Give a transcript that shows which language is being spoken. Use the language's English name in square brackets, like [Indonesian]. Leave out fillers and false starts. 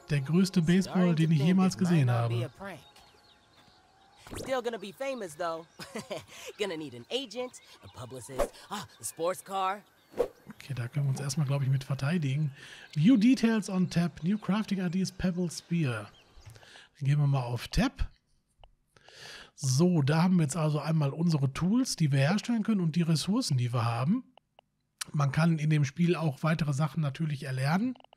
[German] der größte Baseball, den ich jemals gesehen habe. [English] Still gonna be famous though. Gonna need an agent, a publicist, a sports car. [German] Okay, da können wir uns erstmal, glaube ich, mit verteidigen. [English] View details on tap. New crafting ideas, pebble spear. [German] Gehen wir mal auf tap. So, da haben wir jetzt also einmal unsere Tools, die wir herstellen können und die Ressourcen, die wir haben. Man kann in dem Spiel auch weitere Sachen natürlich erlernen.